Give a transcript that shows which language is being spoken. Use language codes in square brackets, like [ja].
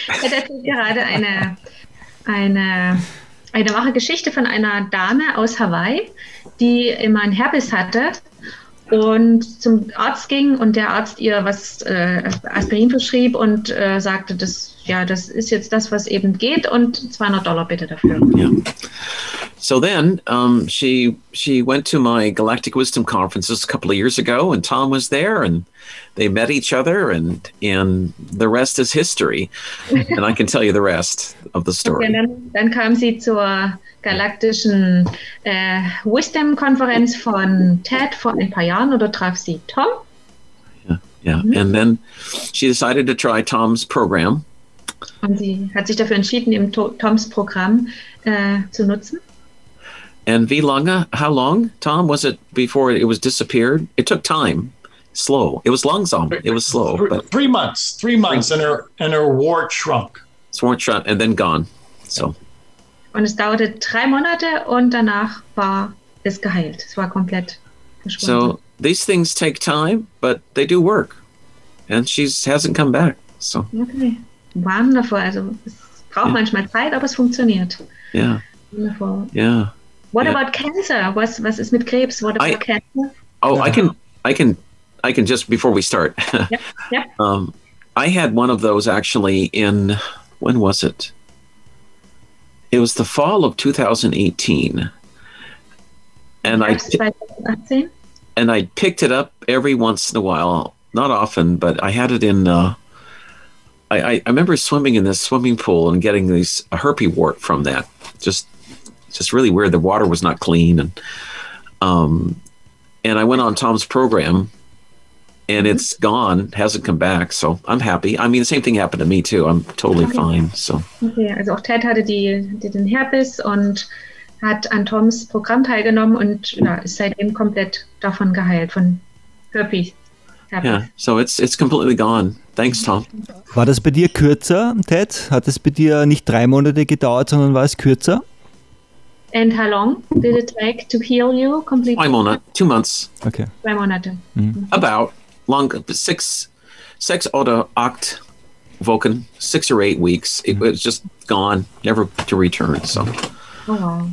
[de] Das ist gerade eine wahre Geschichte von einer Dame aus Hawaii, die immer ein Herpes hatte und zum Arzt ging und der Arzt ihr was Aspirin verschrieb und sagte, das, ja, das ist jetzt das, was eben geht und $200 bitte dafür. [en] Yeah. So then she went to my Galactic Wisdom conferences a couple of years ago and Tom was there and they met each other and the rest is history. And I can tell you the rest of the story. [de] Okay, dann kam sie zur galaktischen Wisdom-Konferenz von Ted vor ein paar Jahren oder traf sie Tom? [en] Yeah. And then she decided to try Tom's program. [de] Und sie hat sich dafür entschieden, eben Toms Programm zu nutzen. [en] And [de] wie lange, [en] how long, Tom, was it before it was disappeared? It took time. Slow. It was [de] langsam. [en] It was slow. Three months. And her wart shrunk. It's wart shrunk and then gone. So. [de] Und es dauerte 3 Monate und danach war es geheilt. Es war komplett verschwunden. [en] So these things take time, but they do work. And she hasn't come back. So. Okay. Wonderful. [de] Also es braucht manchmal Zeit, aber es funktioniert. [en] Yeah. Wonderful. Yeah. What about cancer? [de] Was ist mit Krebs? [en] What about cancer? Oh, yeah. I can just before we start. Yeah. I had one of those actually in, when was it? It was the fall of 2018. And I picked it up every once in a while, not often, but I had it in, I remember swimming in this swimming pool and getting these a herpes wart from that. Just really weird. The water was not clean. And I went on Tom's program and mm-hmm. it's gone, hasn't come back. So I'm happy. I mean, the same thing happened to me too. I'm totally fine. So. Okay. [de] Also auch Ted hatte den Herpes und hat an Toms Programm teilgenommen und ja, ist seitdem komplett davon geheilt, von Herpes. [en] Yeah, so it's completely gone. Thanks, Tom. [de] War das bei dir kürzer, Ted? Hat es bei dir nicht 3 Monate gedauert, sondern war es kürzer? [en] And how long did it take to heal you completely? 2 months. Okay. [de] 2 Monate. [en] Mm-hmm. About long, [de] six oder acht Wochen, [en] 6 or 8 weeks. It mm-hmm. was just gone, never to return, so... Oh, wow.